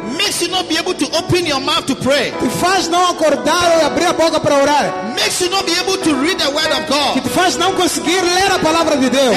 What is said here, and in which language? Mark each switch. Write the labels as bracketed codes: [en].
[en] Makes you not be able to open your mouth to pray. [pt] Te faz não acordar ou abrir a boca para orar. [en] Makes you not be able to read the word of God. [pt] Que te faz não conseguir ler a palavra de Deus.